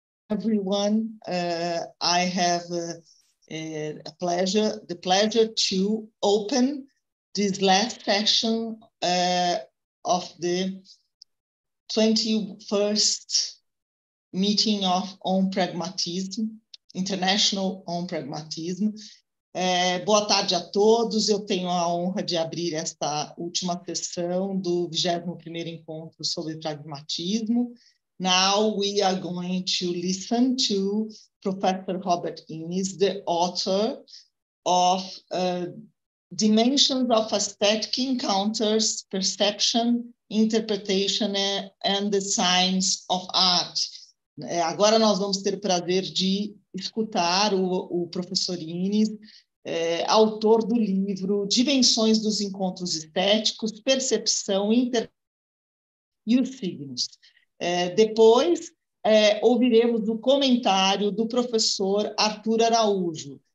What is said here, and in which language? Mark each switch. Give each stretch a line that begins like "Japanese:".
English: Everyone, I have the pleasure to open this last session of the 21st meeting of on Pragmatism, International on Pragmatism.
Portuguese: Boa tarde a todos. Eu tenho a honra de abrir esta última sessão do 21º Encontro sobre Pragmatismo.
English: Now we are going to listen to Professor Robert Innis, the author of Dimensions of Aesthetic Encounters, Perception, Interpretation and the Signs of Art.
Portuguese: Agora nós vamos ter o prazer de escutar o professor Innis, autor do livro Dimensões dos Encontros Estéticos, Percepção, Interpretação e os Signos. Depois, ouviremos o comentário do professor Arthur Araújo.